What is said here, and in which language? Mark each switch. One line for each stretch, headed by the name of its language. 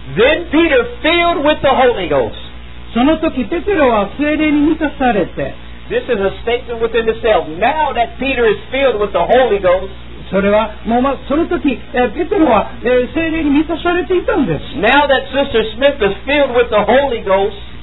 English: Then Peter filled with the Holy Ghost.
Japanese: その時ペテロは聖霊に満たされて。
English: This is a statement within itself. Now that Peter is filled with the Holy Ghost.
Japanese: それはもう、その時、ペテロは、聖霊に満たされていたんです。
English: Now that Sister Smith is filled with the Holy Ghost.